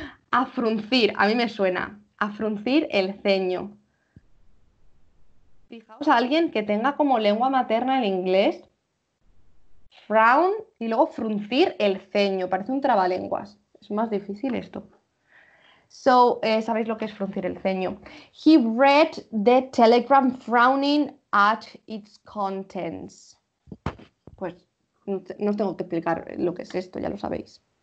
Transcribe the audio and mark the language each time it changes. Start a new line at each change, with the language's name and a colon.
Spanish: A fruncir, a mí me suena. A fruncir el ceño. Fijaos a alguien que tenga como lengua materna el inglés. Frown y luego fruncir el ceño. Parece un trabalenguas. Es más difícil esto. So, ¿sabéis lo que es fruncir el ceño?
English: He read the telegram frowning at its contents.
Spanish: Pues... No os tengo que explicar lo que es esto, ya lo sabéis.